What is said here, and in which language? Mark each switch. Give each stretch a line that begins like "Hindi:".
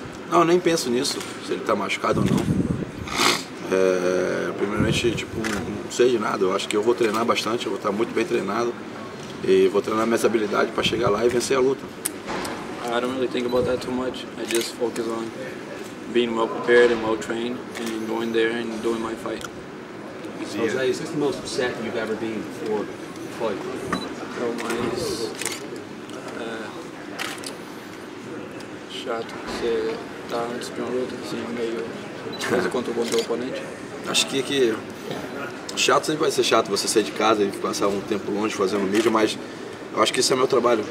Portuguese: Não, eu nem penso nisso, se ele tá machucado ou não. Primeiramente, tipo, não sei de nada. Eu acho que eu vou treinar bastante, eu vou estar muito bem treinado e vou treinar minhas habilidades para chegar lá e vencer a luta.
English: I don't really think about that too much. I just focus on being well prepared and well trained and going there and doing my fight. Jose, is this the most upset you've ever been for a fight?
Portuguese: Mais chato que você tá antes de uma luta, assim, meio contra o bom do oponente. Acho que chato sempre vai ser chato você sair de casa e passar um tempo longe fazendo mídia, mas eu acho que isso é meu trabalho.